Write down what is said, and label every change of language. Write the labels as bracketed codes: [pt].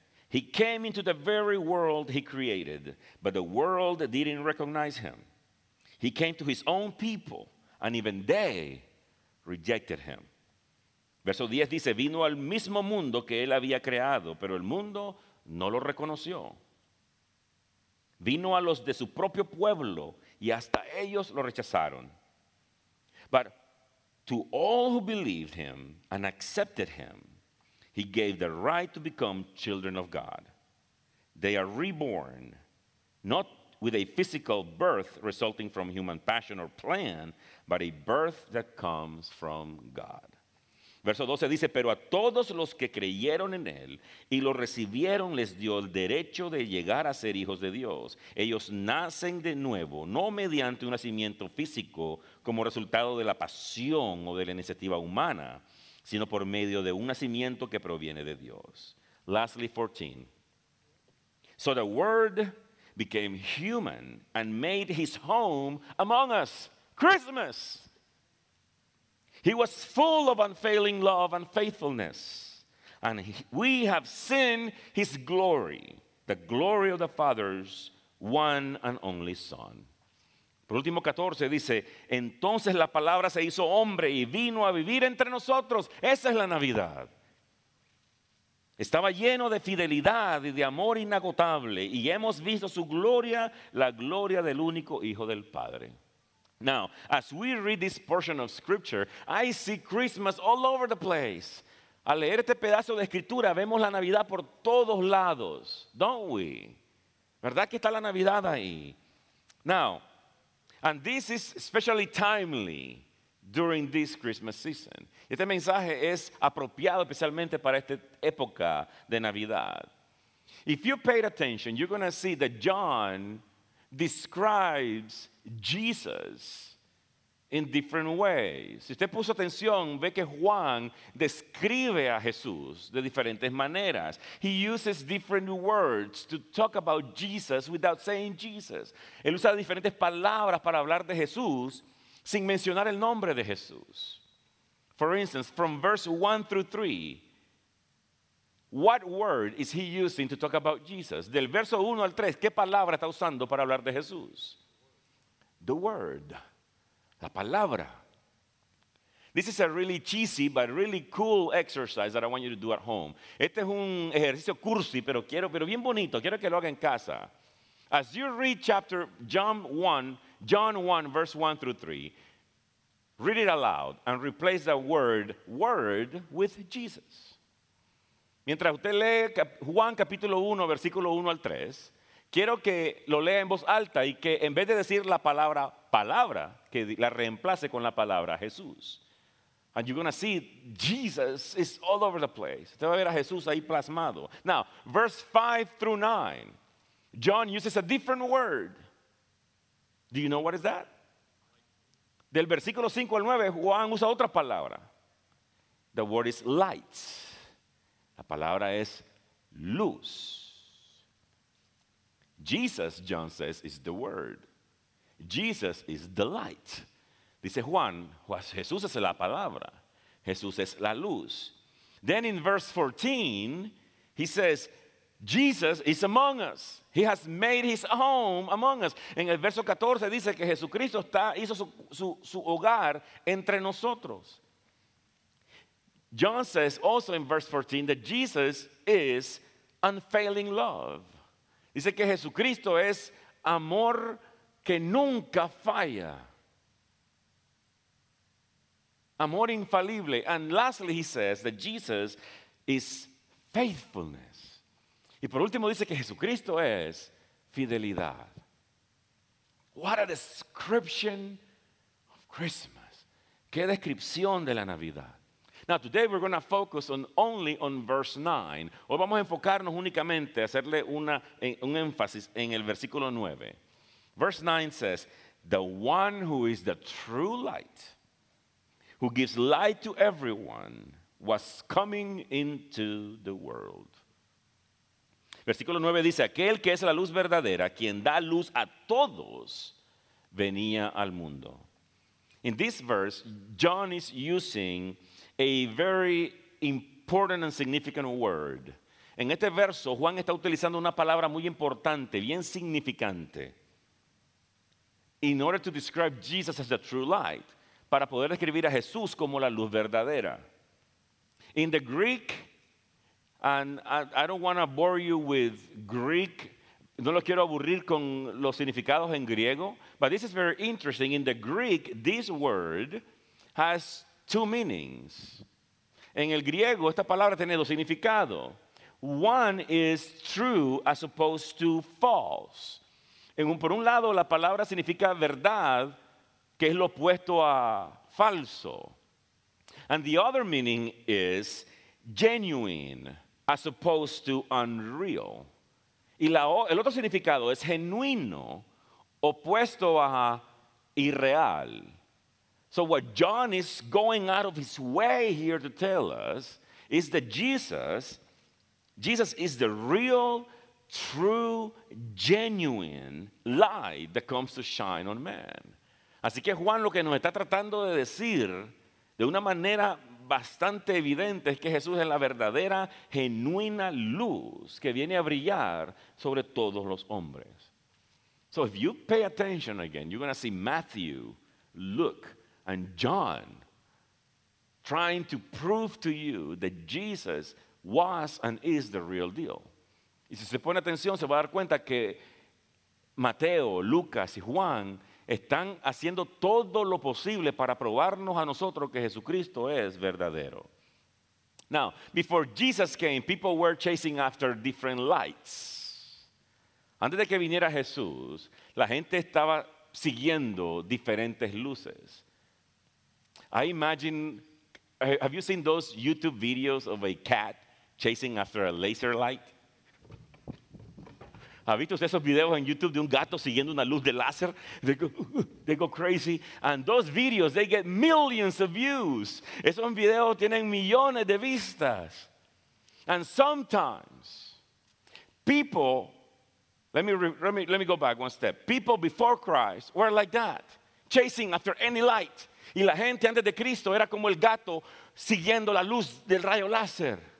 [en] He came into the very world he created, but the world didn't recognize him. He came to his own people, and even they rejected him. [es] Verso 10 dice, vino al mismo mundo que él había creado, pero el mundo no lo reconoció. Vino a los de su propio pueblo, y hasta ellos lo rechazaron. [en] But to all who believed him and accepted him, he gave the right to become children of God. They are reborn, not with a physical birth resulting from human passion or plan, but a birth that comes from God. [es] Verso 12 dice, pero a todos los que creyeron en él y lo recibieron les dio el derecho de llegar a ser hijos de Dios. Ellos nacen de nuevo, no mediante un nacimiento físico como resultado de la pasión o de la iniciativa humana, sino por medio de un nacimiento que proviene de Dios. [en] Lastly, 14. So the Word became human and made his home among us. Christmas! He was full of unfailing love and faithfulness. And we have seen his glory, the glory of the Father's one and only Son. [es] Por último, 14 dice, entonces la palabra se hizo hombre y vino a vivir entre nosotros. Esa es la Navidad. Estaba lleno de fidelidad y de amor inagotable, y hemos visto su gloria, la gloria del único Hijo del Padre. [en] Now, as we read this portion of Scripture, I see Christmas all over the place. [es] Al leer este pedazo de Escritura, vemos la Navidad por todos lados, [en] don't we? [es] ¿Verdad que está la Navidad ahí? [en] Now, and this is especially timely during this Christmas season. [es] Este mensaje es apropiado especialmente para esta época de Navidad. [en] If you paid attention, you're going to see that John describes Jesus in different ways. [es] Si usted puso atención, ve que Juan describe a Jesús de diferentes maneras. [en] He uses different words to talk about Jesus without saying Jesus. [es] Él usa diferentes palabras para hablar de Jesús sin mencionar el nombre de Jesús. [en] For instance, from verse 1 through 3, what word is he using to talk about Jesus? [es] Del verso 1 al 3, ¿qué palabra está usando para hablar de Jesús? [en] The word. [es] La palabra. [en] This is a really cheesy but really cool exercise that I want you to do at home. [es] Este es un ejercicio cursi, pero bien bonito. Quiero que lo haga en casa. [en] As you read chapter John 1, verse 1 through 3, read it aloud and replace the word with Jesus. [es] Mientras usted lee Juan capítulo 1, versículo 1 al 3, quiero que lo lea en voz alta y que en vez de decir la palabra palabra, que la reemplace con la palabra Jesús. [en] And you're going to see Jesus is all over the place. [es] Usted va a ver a Jesús ahí plasmado. [en] Now, verse 5 through 9, John uses a different word. Do you know what is that? [es] Del versículo 5 al 9, Juan usa otra palabra. [en] The word is light. [es] La palabra es luz. [en] Jesus, John says, is the word. Jesus is the light. [es] Dice Juan, Jesús es la palabra. Jesús es la luz. [en] Then in verse 14, he says, Jesus is among us. He has made his home among us. [es] En el verso 14 dice que Jesucristo hizo su hogar entre nosotros. [en] John says also in verse 14 that Jesus is unfailing love. [es] Dice que Jesucristo es amor que nunca falla. Amor infalible. [en] And lastly, he says that Jesus is faithfulness. [es] Y por último dice que Jesucristo es fidelidad. [en] What a description of Christmas. [es] Qué descripción de la Navidad. [en] Now, today we're going to focus only on verse 9. [es] Hoy vamos a enfocarnos únicamente, hacerle un énfasis en el versículo 9. [en] Verse 9 says, the one who is the true light, who gives light to everyone, was coming into the world. [es] Versículo 9 dice, aquel que es la luz verdadera, quien da luz a todos, venía al mundo. [en] In this verse, John is using a very important and significant word. [es] En este verso, Juan está utilizando una palabra muy importante, bien significante. [en] In order to describe Jesus as the true light, [es] para poder describir a Jesús como la luz verdadera. [en] In the Greek, and I don't want to bore you with Greek, [es] no lo quiero aburrir con los significados en griego, [en] but this is very interesting. In the Greek, this word has two meanings. [es] En el griego, esta palabra tiene dos significados. [en] One is true as opposed to false. [es] Por un lado, la palabra significa verdad, que es lo opuesto a falso. [en] And the other meaning is genuine as opposed to unreal. [es] Y el otro significado es genuino, opuesto a irreal. [en] So what John is going out of his way here to tell us is that Jesus is the real, true, genuine light that comes to shine on man. [es] Así que Juan lo que nos está tratando de decir de una manera bastante evidente es que Jesús es la verdadera, genuina luz que viene a brillar sobre todos los hombres. [en] So if you pay attention again, you're going to see Matthew, Luke, and John trying to prove to you that Jesus was and is the real deal. [es] Y si se pone atención, se va a dar cuenta que Mateo, Lucas y Juan están haciendo todo lo posible para probarnos a nosotros que Jesucristo es verdadero. [en] Now, before Jesus came, people were chasing after different lights. [es] Antes de que viniera Jesús, la gente estaba siguiendo diferentes luces. [en] I imagine, have you seen those YouTube videos of a cat chasing after a laser light? [es] ¿Ha visto esos videos en YouTube de un gato siguiendo una luz de láser? [en] They go crazy. And those videos, they get millions of views. [es] Esos videos tienen millones de vistas. [en] And sometimes, let me go back one step. People before Christ were like that, chasing after any light. [es] Y la gente antes de Cristo era como el gato siguiendo la luz del rayo láser.